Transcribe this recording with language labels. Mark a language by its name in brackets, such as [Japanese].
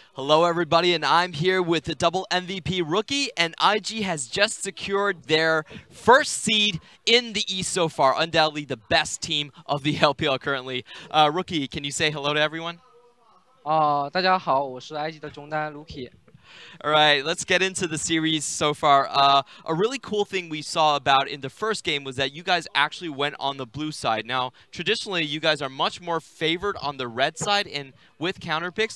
[English] Hello, everybody, and I'm here with the double MVP rookie, and IG has just secured their first seed in the East so far, undoubtedly the best team of the LPL currently. Rookie, can you say hello to everyone? [Chinese] 大家好, 我是IG的中单, Rookie. [English] All right, let's get into the series so far. A really cool thing we saw about in the first game was that you guys actually went on the blue side. Now, traditionally, you guys are much more favored on the red side and with counter picks.